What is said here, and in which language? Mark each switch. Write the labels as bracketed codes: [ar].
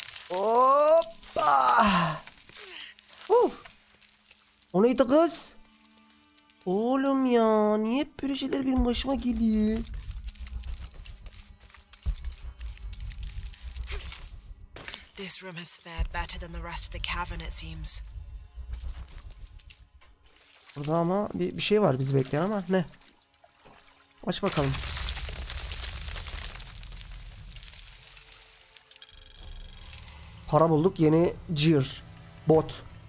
[tr] Hoppa! O neydi kız? Oğlum ya, niye böyle şeyler benim başıma geliyor? [en] This room has fared better than the rest of the cavern, it seems. [tr] Burada ama bir şey var bizi bekleyen ama ne? Aç bakalım. Para bulduk, yeni gear. Bot.